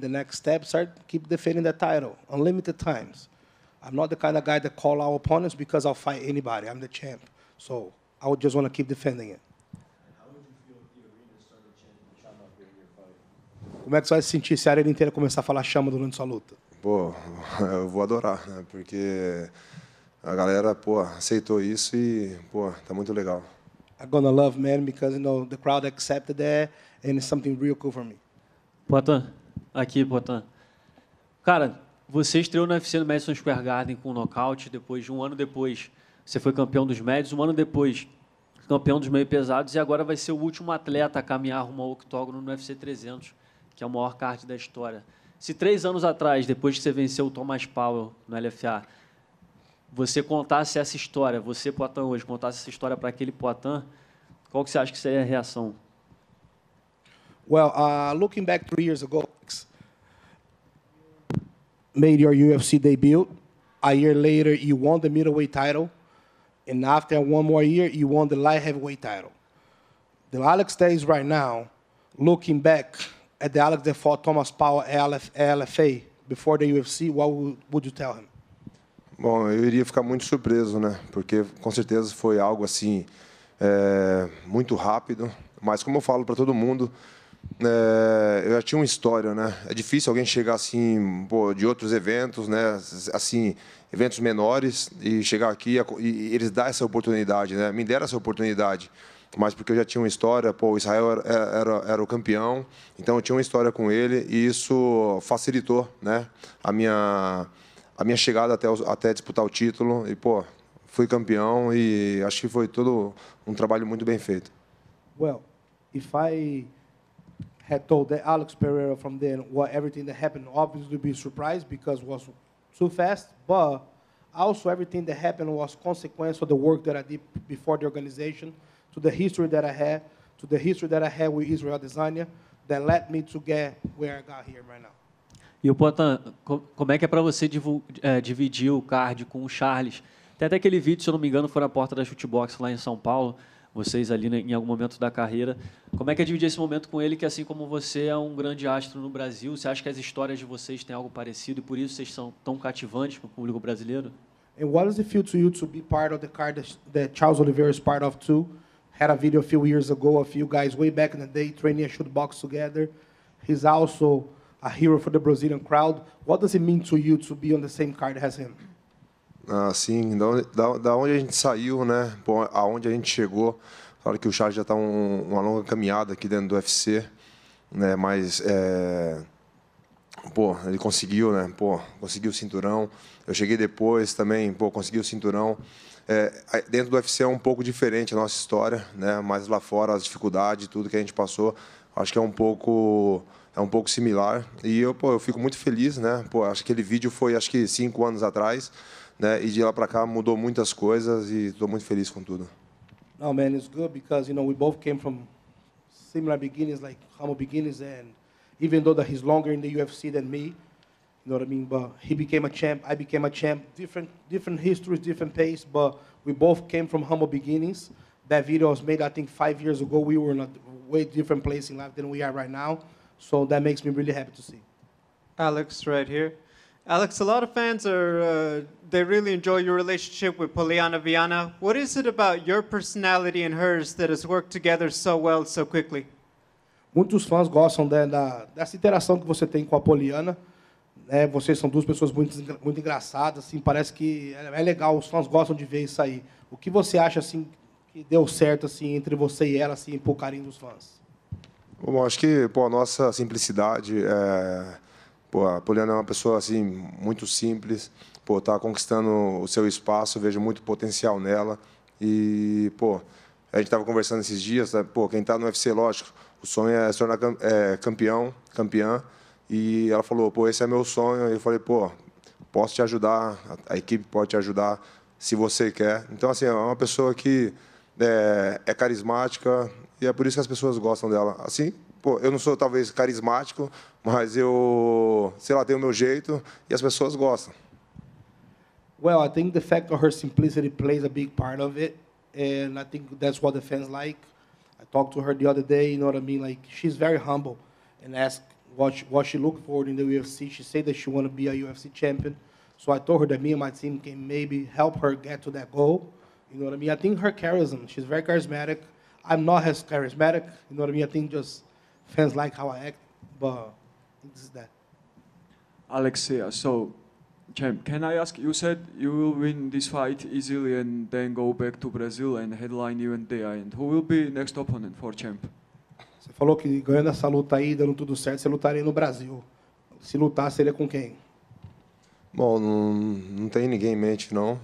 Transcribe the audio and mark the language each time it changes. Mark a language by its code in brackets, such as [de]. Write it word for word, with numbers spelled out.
[en] The next steps are keep defending the title unlimited times. I'm not the kind of guy that call out opponents because I'll fight anybody. I'm the champ, so I would just want to keep defending it. How would you feel if the arena started chanting "Chama" during your fight? [pt] Como é que você vai se sentir se a arena inteira começar a falar "Chama" durante sua luta? Pô, eu vou adorar, né? Porque a galera, pô, aceitou isso e, pô, tá muito legal. [en] I'm gonna love, man, because, you know, the crowd accepted that and it's something real cool for me. [pt] Poitin, aqui, Poitin. Cara, você estreou no U F C no Madison Square Garden com um nocaute, depois de um ano depois você foi campeão dos médios, um ano depois campeão dos meio pesados e agora vai ser o último atleta a caminhar rumo ao octógono no U F C trezentos, que é o maior card da história. Se três anos atrás, depois que você venceu o Thomas Powell no L F A, você contasse essa história, você, Poitin, hoje, contasse essa história para aquele Poitin, qual que você acha que seria a reação? [en] Well, uh, looking back three years ago, made your U F C debut. A year later, you won the middleweight title. And after one more year, you won the light heavyweight title. The Alex that is right now, looking back at the Alex that fought Thomas Powell at L F A before the U F C, what would you tell him? [pt] Bom, eu iria ficar muito surpreso, né? Porque com certeza foi algo assim é, muito rápido. Mas como eu falo para todo mundo, é, eu já tinha uma história, né? É difícil alguém chegar assim, pô, de outros eventos, né? Assim, eventos menores e chegar aqui e eles dar essa oportunidade, né? Me deram essa oportunidade, mas porque eu já tinha uma história. Pô, o Israel era, era, era o campeão, então eu tinha uma história com ele e isso facilitou, né? A minha a minha chegada até, até disputar o título e, pô, fui campeão e acho que foi todo um trabalho muito bem feito. [en] Well, if I had told that Alex Pereira from then what everything that happened, obviously be surprised because it was too fast, but also everything that happened was consequence of the work that I did before the organization, to the history that I had, to the history that I had with Israel Adesanya that led me to get where I got here right now. [pt] E o Poitin, como é que é para você dividir o card com o Charles, Tem até aquele vídeo, se eu não me engano, foi na porta da Shootbox lá em São Paulo, vocês ali né, em algum momento da carreira. Como é que é dividir esse momento com ele, que assim como você é um grande astro no Brasil, você acha que as histórias de vocês têm algo parecido e por isso vocês são tão cativantes para o público brasileiro? [en] And what does it feel to you to be part of the car that, that Charles Oliveira is part of too? Had a video a few years ago of you guys way back in the day training a Shootbox together. He's also a hero for the Brazilian crowd. What does it mean to you to be on the same card as him? [pt] Ah, sim, da, da onde a gente saiu, né? Bom, aonde a gente chegou, claro que o Charles já está um, uma longa caminhada aqui dentro do U F C, né? Mas é, pô, ele conseguiu, né? Pô, conseguiu o cinturão. Eu cheguei depois também, pô, consegui o cinturão. É, dentro do U F C é um pouco diferente a nossa história, né? Mas lá fora as dificuldades, tudo que a gente passou, acho que é um pouco é um pouco similar. E eu, pô, eu fico muito feliz, né? Pô, acho que aquele vídeo foi acho que cinco anos atrás. Né? E de lá para cá mudou muitas coisas e estou muito feliz com tudo. [en] No, man, it's good because you know we both came from similar beginnings, like humble beginnings, and even though that he's longer in the U F C than me, you know what I mean. But he became a champ, I became a champ. Different, different histories, different pace, but we both came from humble beginnings. That video was made, I think, five years ago. We were in a way different place in life than we are right now, so that makes me really happy to see. Alex, right here. Alex, a lot of fans are, uh, they really enjoy your relationship with Poliana Viana. What is it about your personality and hers that has worked together so well, so quickly? [pt] Muitos fãs gostam da, da, dessa interação que você tem com a Poliana. É, vocês são duas pessoas muito, muito engraçadas, assim, parece que é, é legal, os fãs gostam de ver isso aí. O que você acha assim, que deu certo assim, entre você e ela, assim, por carinho dos fãs? Bom, acho que pô, a nossa simplicidade... É... Pô, a Poliana é uma pessoa assim, muito simples, pô, tá conquistando o seu espaço, vejo muito potencial nela. E, pô, a gente estava conversando esses dias, né? Pô, quem está no U F C, lógico, o sonho é se tornar é, campeão, campeã. E ela falou, pô, esse é meu sonho. E eu falei, pô, posso te ajudar, a, a equipe pode te ajudar, se você quer. Então, assim, é uma pessoa que é, é carismática e é por isso que as pessoas gostam dela. Assim, pô, eu não sou, talvez, carismático, mas eu, sei lá, tenho o meu jeito e as pessoas gostam. [en] Well, I think the fact of her simplicity plays a big part of it, and I think that's what the fans like. I talked to her the other day, you know what I mean? Like, she's very humble and asked what she, what she looked for in the U F C. She said that she wanted to be a U F C champion, so I told her that me and my team can maybe help her get to that goal. You know what I mean? I think her charisma, she's very charismatic. I'm not as charismatic, you know what I mean? I think just... Fans like how I act, but this is that. Alexia, so, champ, can I ask, you said you will win this fight easily and then go back to Brazil and headline event there, and who will be next opponent for champ? [pt] Você falou que ganhando essa luta aí, dando tudo certo, você lutaria no Brasil. Se lutar, seria com quem? Bom, não, não tem ninguém em mente, não.